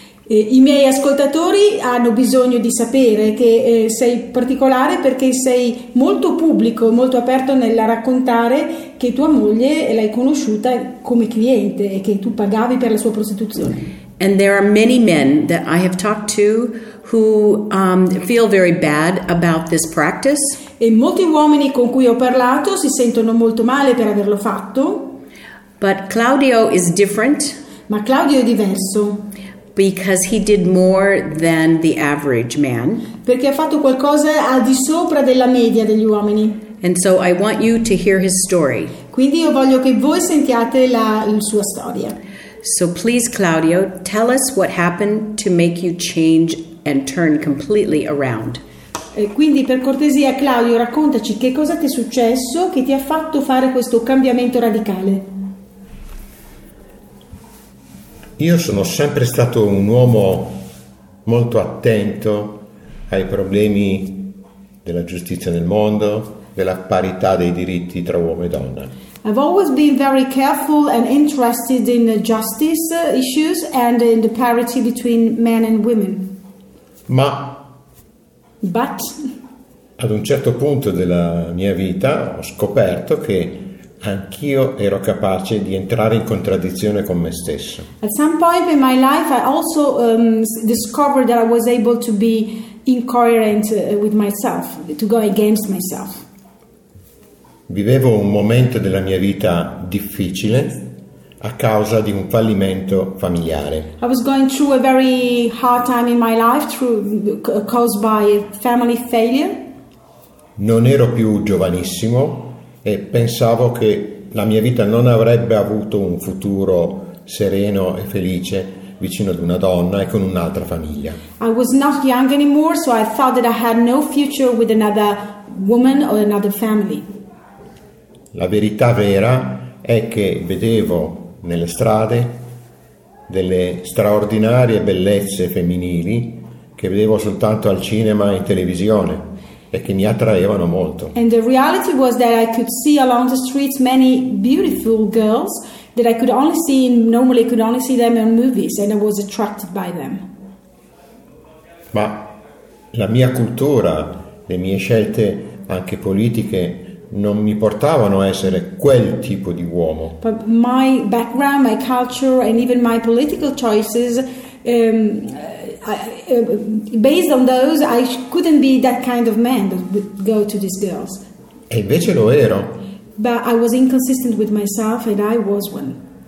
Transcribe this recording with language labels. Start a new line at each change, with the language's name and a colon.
Italian: I miei ascoltatori hanno bisogno di sapere che sei particolare perché sei molto pubblico, molto aperto nel raccontare che tua moglie l'hai conosciuta come cliente e che tu pagavi per la sua prostituzione.
English: And there are many men that I have talked to who feel very bad about this practice.
Italian: E molti uomini con cui ho parlato si sentono molto male per averlo fatto.
English: But Claudio is different.
Italian: Ma Claudio è diverso.
English: Because he did more than the average man.
Italian: Perché ha fatto qualcosa al di sopra della media degli uomini.
English: And so I want you to hear his story.
Italian: Quindi io voglio che voi sentiate la sua storia.
English: So please, Claudio, tell us what happened to make you change and turn completely around.
Italian: E quindi per cortesia, Claudio, raccontaci che cosa ti è successo che ti ha fatto fare questo cambiamento radicale. Io sono sempre stato un uomo molto attento ai problemi della giustizia nel mondo, della parità dei diritti tra uomo e donna.
English: I've always been very careful and interested in justice issues and in the parity between men and women.
Italian: Ma
English: But
Italian: ad un certo punto della mia vita ho scoperto che anch'io ero capace di entrare in contraddizione con me stesso.
English: At some point in my life I also discovered that I was able to be incoherent with myself, to go against myself.
Italian: Vivevo un momento della mia vita difficile a causa di un fallimento familiare.
English: I was going through a very hard time in my life caused by a family failure.
Italian: Non ero più giovanissimo e pensavo che la mia vita non avrebbe avuto un futuro sereno e felice vicino ad una donna e con un'altra famiglia.
English: I was not young anymore, so I thought that I had no future with another woman or another family.
Italian: La verità vera è che vedevo nelle strade delle straordinarie bellezze femminili che vedevo soltanto al cinema e in televisione e che mi attraevano molto.
English: And the reality was that I could see along the streets many beautiful girls that I could only see them in movies, and I was attracted by them.
Italian: Ma la mia cultura, le mie scelte anche politiche non mi portavano a essere quel tipo di uomo.
English: But my background, my culture and even my political choices based on those I couldn't be that kind of man that would go to these girls.
Italian: E invece lo ero.
English: But I was inconsistent with myself and I was one.